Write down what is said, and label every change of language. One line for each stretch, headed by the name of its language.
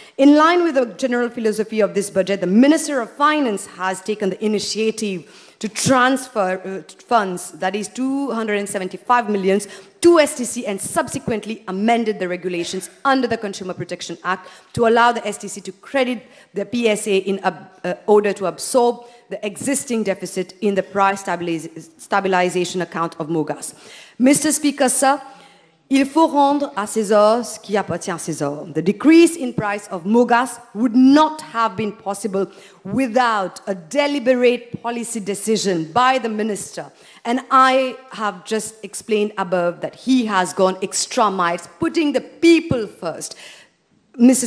English: In line with the general philosophy of this budget, the Minister of Finance has taken the initiative to transfer funds, that is 275 million, to STC and subsequently amended the regulations under the Consumer Protection Act to allow the STC to credit the PSA in order to absorb the existing deficit in the price stabilization account of MOGAS. Mr. Speaker, sir,
French: il faut rendre à César ce qui appartient à César.
English: The decrease in price of MOGAS would not have been possible without a deliberate policy decision by the minister. And I have just explained above that he has gone extra miles, putting the people first. Mr.